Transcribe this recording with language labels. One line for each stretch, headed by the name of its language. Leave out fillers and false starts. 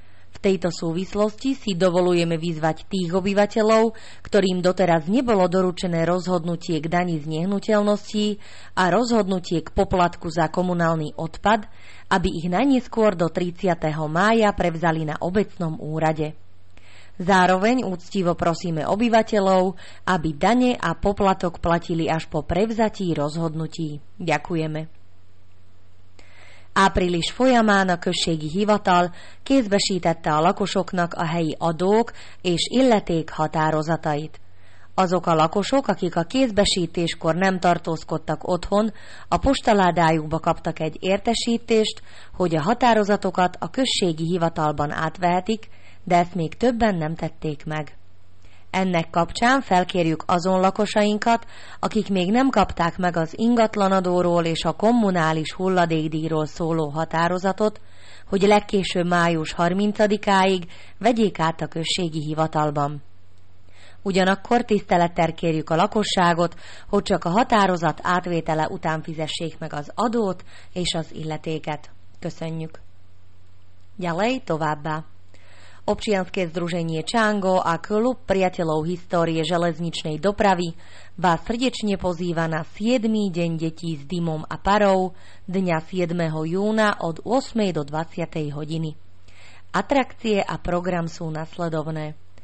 Slovak: V tejto súvislosti si dovolujeme vyzvať tých obyvateľov, ktorým doteraz nebolo doručené rozhodnutie k dani z nehnuteľností a rozhodnutie k poplatku za komunálny odpad, aby ich najneskôr do 30. mája prevzali na obecnom úrade. Zároveň úctivo prosíme obyvateľov, aby dane a poplatok platili až po prevzatí rozhodnutí. Ďakujeme.
Hungarian: Április folyamán a községi hivatal kézbesítette a lakosoknak a helyi adók és illeték határozatait. Azok a lakosok, akik a kézbesítéskor nem tartózkodtak otthon, a postaládájukba kaptak egy értesítést, hogy a határozatokat a községi hivatalban átvehetik, de ezt még többen nem tették meg. Ennek kapcsán felkérjük azon lakosainkat, akik még nem kapták meg az ingatlanadóról és a kommunális hulladékdíjról szóló határozatot, hogy legkésőbb május 30-áig vegyék át a községi hivatalban. Ugyanakkor tisztelettel kérjük a lakosságot, hogy csak a határozat átvétele után fizessék meg az adót és az illetéket. Köszönjük!
Slovak: Ďalej
Hungarian: továbbá!
Slovak: Občianske združenie Čango a klub priateľov histórie železničnej dopravy vás srdečne pozýva na 7. deň detí s dymom a parou dňa 7. júna od 8. do 20. hodiny. Atrakcie a program sú nasledovné.